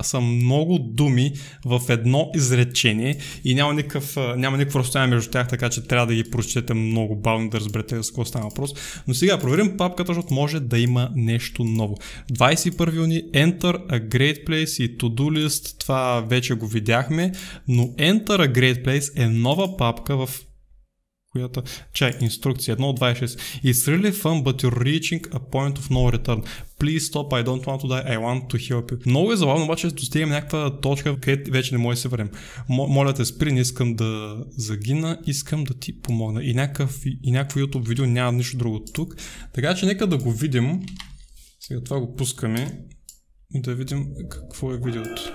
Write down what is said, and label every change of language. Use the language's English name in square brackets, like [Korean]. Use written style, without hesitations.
[Bulgarian] Са много думи в едно изречение и няма никакво разстояние между тях, така че трябва да ги прочетете много бавно, да разберете с какво става въпрос. Но сега проверим папката, защото може да има нещо ново. 21 юни, enter a great place и to do list. Това вече го видяхме, но Enter a Great Place е нова папка в която, чай, инструкция 1 от 26. [English] It's really fun, but you're reaching a point of no return. Please stop, I don't want to die, I want to help you. [Bulgarian] Много е забавно, обаче достигаме някаква точка, където вече не може да се върнем. Моля те, спри, не искам да загина, искам да ти помогна. И някакво YouTube видео, няма нищо друго тук. Така че нека да го видим. Сега това го пускаме и да видим какво е видеото.